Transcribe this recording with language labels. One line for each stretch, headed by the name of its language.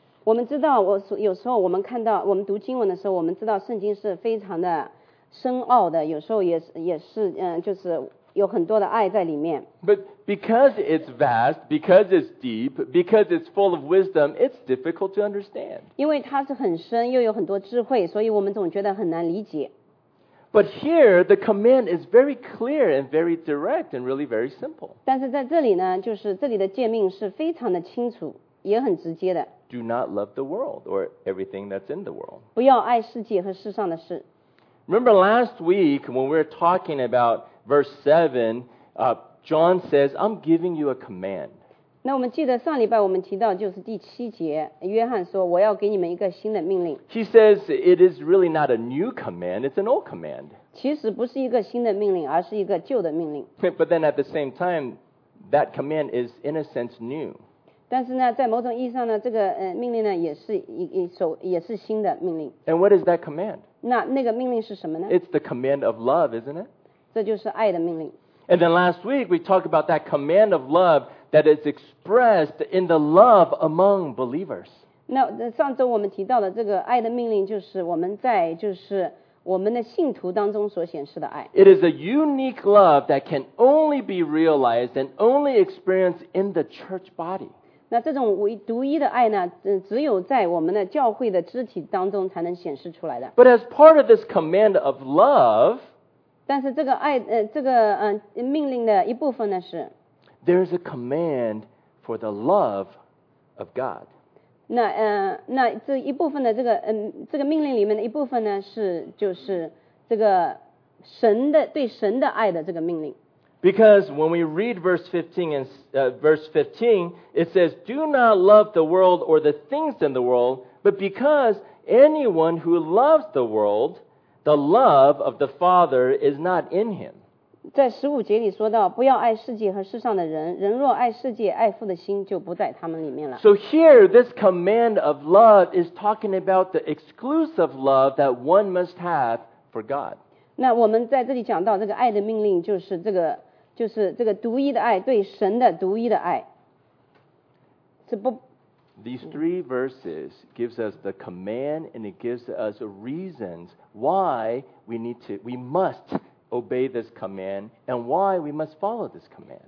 Chinese: 我们知道有时候我们看到我们读经文的时候，我们知道圣经是非常的深奥的，有时候也是就是有很多的爱在里面。
English: But because it's vast, because it's deep, because it's full of wisdom, it's difficult to understand.
Chinese: 因为它是很深又有很多智慧，所以我们总觉得很难理解。
English: But here, the command is very clear and very direct and really very simple.
Chinese: 但是在这里呢，就是这里的诫命是非常的清楚，也很直接的。
English: Do not love the world or everything that's in the world.
Chinese: 不要爱世界和世上的事。
English: Remember last week when we were talking about verse 7, John says, I'm giving you a command.
Chinese: 那我们记得上礼拜我们提到就是第七节，约翰说我要给你们一个新的命令。
English: He says it is really not a new command, it's an old command.
Chinese: 其实不是一个新的命令，而是一个旧的命令。
English: But then at the same time, that command is in a sense new.
Chinese: 但是呢，在某种意义上呢，这个命令呢，也是新的命令。
English: And what is that command?
Chinese: 那个命令是什么呢？
English: It's the command of love, isn't it?
Chinese: 这就是爱的命令。
English: And then last week we talked about that command of love that is expressed in the love among believers.
Chinese: 那上周我们提到的这个爱的命令，就是我们的信徒当中所显示的爱。
English: It is a unique love that can only be realized and only experienced in the church body.
Chinese: 那这种独一的爱呢，只有在我们的教会的肢体当中才能显示出来的。
English: But as part of this command of love,
Chinese: 但是这个爱，命令的一部分呢是
English: ，there is a command for the love of God.
Chinese: 那这一部分的这个命令里面的一部分呢是，就是这个神的对神的爱的这个命令。
English: Because when we read verse 15 and verse 15, it says, "Do not love the world or the things in the world, but because anyone who loves the world, the love of the Father is not in him."
Chinese: 在十五节里说到，不要爱世界和世上的人，人若爱世界，爱父的心就不在他们里面了。
English: So here, this command of love is talking about the exclusive love that one must have for God.
Chinese: 那我们在这里讲到这个爱的命令，就是这个，就是这个独一的爱，对神的独一的爱，是不。
English: These three verses gives us the command and it gives us reasons why we must obey this command and why we must follow this command.